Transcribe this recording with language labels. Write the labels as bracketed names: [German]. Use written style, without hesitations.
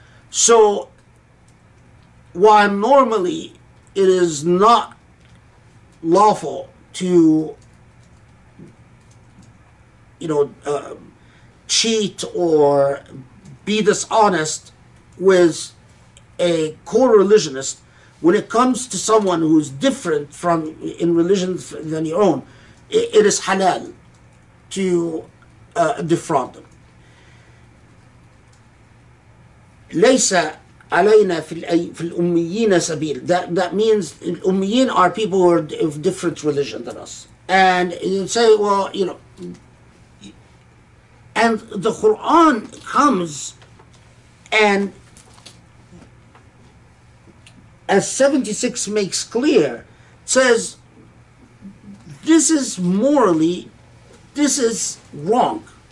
[English] So, while normally it is not lawful to, you know, cheat or be dishonest with a co-religionist, when it comes to someone who is different from in religion than your own, it is halal to defraud them. [Arabic] ليس علينا في الأميين سبيل. [English] That means الأميين are people who are of different religion than us. And you say, well, you know, and the Quran comes and as 76 makes clear, says this is morally, this is wrong.